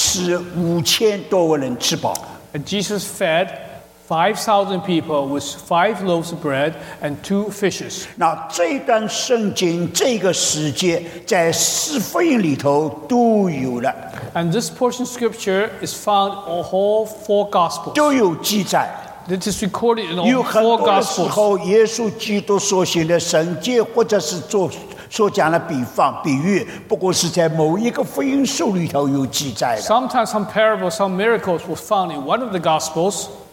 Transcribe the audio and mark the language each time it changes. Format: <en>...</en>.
<zh>耶稣基督用五个饼两条鱼使5000多人吃饱。</zh> <en>And Jesus fed 5,000 people with 5 loaves of bread and 2 fishes.</en> <zh>那这段圣经这个时节在四福音里头都有了。</zh> <en>And this portion of scripture is found in all 4 gospels.</en> <zh>都有记载。</zh> <en>It is recorded in all 4 gospels.</en> <zh>有很多时候耶稣基督所行的神迹或者是做 说讲了比方比喻，不过是在某一个福音书里头有记载的。</zh> <en>Sometimes some parables, some miracles were found in one of the gospels.</en>